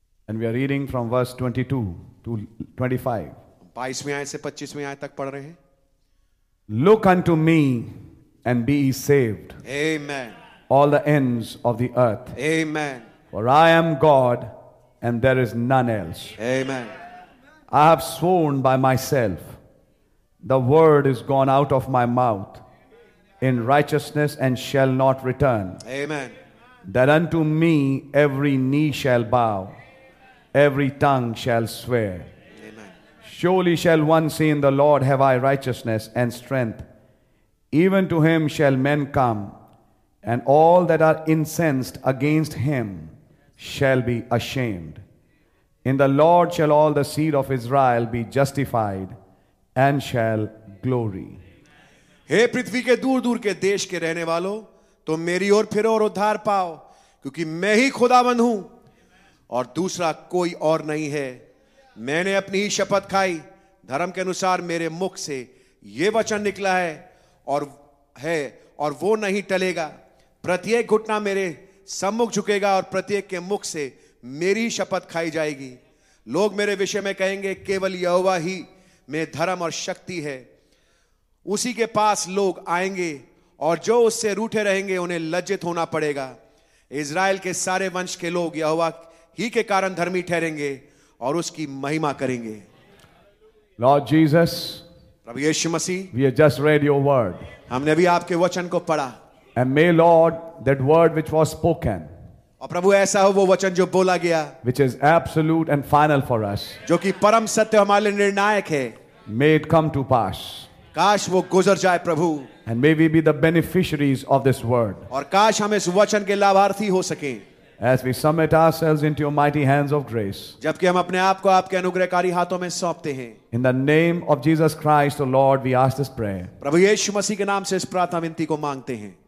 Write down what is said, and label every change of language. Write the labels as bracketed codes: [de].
[en] and we are reading from verse 22 to 25, [hi] 22वीं आयत से 25वीं आयत तक पढ़ रहे हैं. [en] Look unto me And be saved. Amen. All the ends of the earth. Amen. For I am God and there is none else. Amen. I have sworn by myself. The word is gone out of my mouth in righteousness and shall not return. Amen. That unto me every knee shall bow, every tongue shall swear. Amen. Surely shall one say in the Lord have I righteousness and strength. Even to him shall men come, And all that are incensed against him shall be ashamed. In the Lord shall all the seed of Israel be justified and shall glory. [hi] हे पृथ्वी के दूर दूर के देश के रहने वालों, तुम मेरी ओर फिरो और उद्धार पाओ, क्योंकि मैं ही खुदावंद हूं और दूसरा कोई और नहीं है. मैंने अपनी ही शपथ खाई, धर्म के अनुसार मेरे मुख से ये वचन निकला है और है, और वो नहीं टलेगा. प्रत्येक घुटना मेरे सम्मुख झुकेगा और प्रत्येक के मुख से मेरी शपथ खाई जाएगी. लोग मेरे विषय में कहेंगे, केवल यहोवा ही में धर्म और शक्ति है. उसी के पास लोग आएंगे और जो उससे रूठे रहेंगे उन्हें लज्जित होना पड़ेगा. इज़राइल के सारे वंश के लोग यहोवा ही के कारण धर्मी ठहरेंगे और उसकी महिमा करेंगे. [en] lord Jesus, [hi] Prabhu Yeshu Masih, [en] we have just read your word, [hi] हमने भी आपके वचन को पढ़ा. [en] and may lord that word which was spoken, [hi] और प्रभु ऐसा हो वो वचन जो बोला गया, [en] which is absolute and final for us, [hi] जो कि परम सत्य हमारे लिए निर्णायक है, [en] may it come to pass, [hi] काश वो गुजर जाए प्रभु. [en] And may we be the beneficiaries of this word. [hi] और काश हम इस वचन के लाभार्थी हो सकें. [en] As we submit ourselves into your mighty hands of grace. [hi] जबकि हम अपने आप को आपके अनुग्रहकारी हाथों में सौंपते हैं. [en] In the name of Jesus Christ, O Lord, we ask this prayer. [hi] प्रभु यीशु मसीह के नाम से इस प्रार्थना विनती को मांगते हैं.